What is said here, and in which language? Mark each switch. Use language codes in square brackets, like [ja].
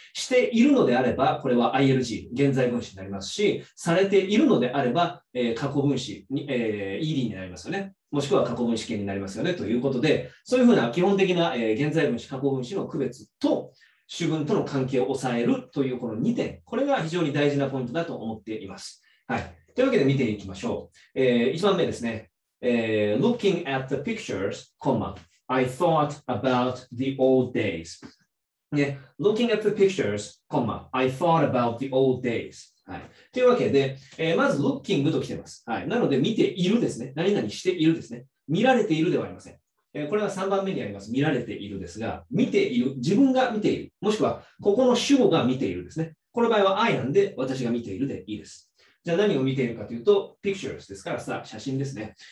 [ja] しているのであれば、これは ING、現在分子になりますし、されているのであれば、過去分子に、ED になりますよね。もしくは過去分子形になりますよね、ということで、そういうふうな基本的な、現在分子、過去分子の区別と主文との関係を抑えるというこの2点、これが非常に大事なポイントだと思っています。はい。というわけで見ていきましょう。 1番目ですね。 [en] looking at the pictures, comma, I thought about the old days. [ja] ね。 [en] looking at the pictures, comma, I thought about the old days. [ja] はい、というわけで、まず、ロッキングと来てます。はい。なので、見ているですね。何々しているですね。見られているではありません。これは3番目にあります。見られているですが、見ている、自分が見ている、もしくはここの主語が見ているですね。この場合は I なんで、私が見ているでいいです。じゃあ、何を見ているかというと、pictures ですから、さ、写真ですね。